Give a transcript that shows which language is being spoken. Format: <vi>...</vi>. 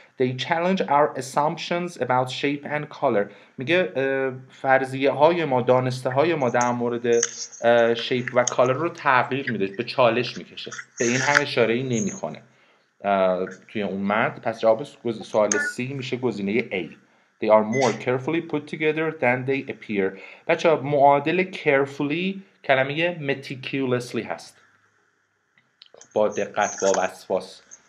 <en>They challenge our assumptions about shape and color،</en> <fa>میگه فرضیه های ما، دانسته های ما در مورد شیپ و کالر رو تغییر میده، به چالش میکشه. به این هم اشاره ای نمی کنه توی اون متن. پس جواب سوال C میشه گزینه A.</fa> <en>They are more carefully put together than they appear.</en> <fa>بچه معادل carefully کلمه meticulously هست، با دقت، با وسواس.</fa>